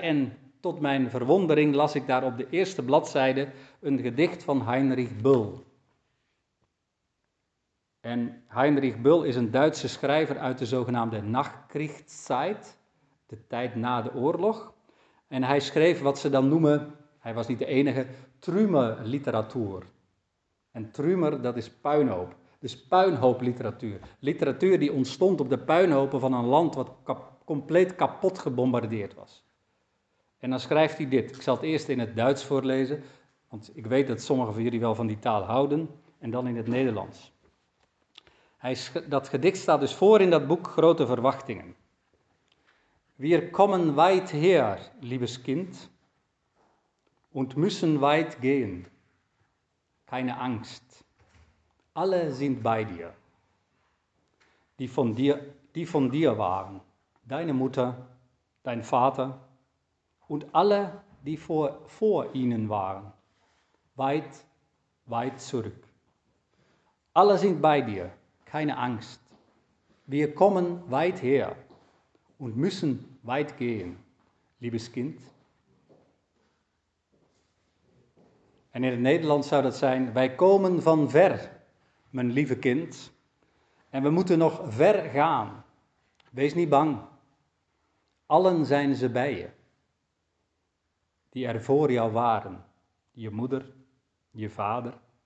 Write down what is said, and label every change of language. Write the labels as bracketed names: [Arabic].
[Dutch] En tot mijn verwondering las ik daar op de eerste bladzijde een gedicht van Heinrich Böll. En Heinrich Böll is een Duitse schrijver uit de zogenaamde Nachkriegszeit, de tijd na de oorlog. En hij schreef wat ze dan noemen, hij was niet de enige, Trümmerliteratuur. En Trümmer, dat is puinhoop. Dus puinhoopliteratuur. Literatuur die ontstond op de puinhopen van een land wat compleet kapot gebombardeerd was. En dan schrijft hij dit. Ik zal het eerst in het Duits voorlezen, want ik weet dat sommigen van jullie wel van die taal houden. En dan in het Nederlands. Dat gedicht staat dus voor in dat boek Grote Verwachtingen. [German] Wir kommen weit her, liebes Kind, und müssen weit gehen. Keine Angst. Alle sind bei dir. Die von dir waren. Deine Mutter, dein Vater und alle, die vor ihnen waren. Weit, weit zurück. Alle sind bei dir. Keine Angst. Wir kommen weit her und müssen weit gehen, liebes Kind. [Dutch] En in het Nederlands zou dat zijn, wij komen van ver, mijn lieve kind. En we moeten nog ver gaan. Wees niet bang. Allen zijn ze bij je. Die er voor jou waren. Je moeder, je vader.